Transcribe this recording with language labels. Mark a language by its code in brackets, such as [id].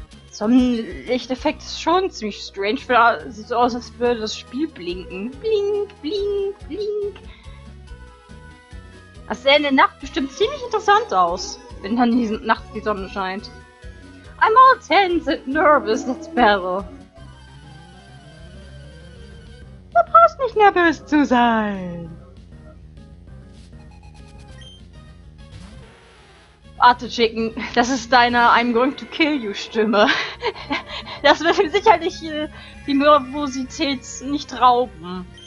[de] So ein Lichteffekt ist schon ziemlich strange, weil es sieht so aus, als würde das Spiel blinken. Blink, blink, blink. Das sähe in der Nacht bestimmt ziemlich interessant aus, wenn dann diese Nacht die Sonne scheint. [en] I'm all tense and nervous, let's battle. [de] Du brauchst nicht nervös zu sein. Warte, Chicken, das ist deine [en] I'm going to kill you [de] Stimme. Das wird mir sicherlich die Nervosität nicht rauben.